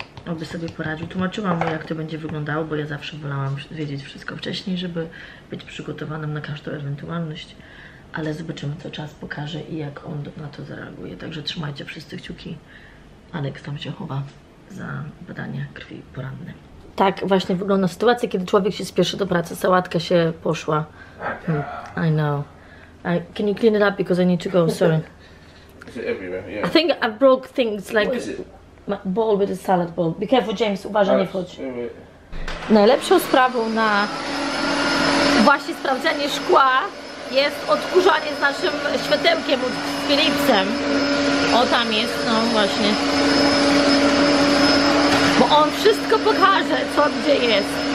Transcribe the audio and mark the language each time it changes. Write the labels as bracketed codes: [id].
[pl] Oby sobie poradził. Tłumaczyłam mu, jak to będzie wyglądało, bo ja zawsze wolałam wiedzieć wszystko wcześniej, żeby być przygotowanym na każdą ewentualność, ale zobaczymy, co czas pokaże i jak on na to zareaguje. Także trzymajcie wszyscy kciuki. Aleks tam się chowa za badania krwi poranne. Tak właśnie wygląda sytuacja, kiedy człowiek się spieszy do pracy, sałatka się poszła. [en] I know. Can you clean it up because I need to go, sorry. Is it everywhere? Yeah. I think I broke things, like what is it? My bowl with a salad bowl. Be careful, James, [pl] uważaj, nie wchodź. Najlepszą sprawą na właśnie sprawdzenie szkła jest odkurzanie z naszym światełkiem, z Philipsem. O, tam jest, no właśnie. Bo on wszystko pokaże, co gdzie jest.